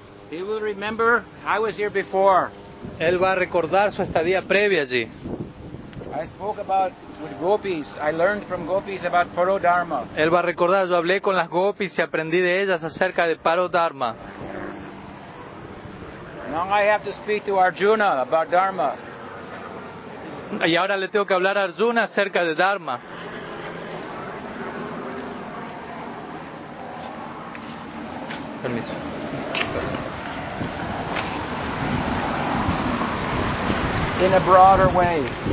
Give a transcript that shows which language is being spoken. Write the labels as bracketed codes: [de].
[en] he will remember I was here before. [es] Él va a recordar su estadía previa allí. [en] I spoke about with gopis. I learned from gopis about paro dharma. [es] Él va a recordar, yo hablé con las gopis y aprendí de ellas acerca de paro dharma. [en] Now I have to speak to Arjuna about dharma. [es] Y ahora le tengo que hablar a Arjuna acerca de Dharma. Permiso. [en] In a broader way.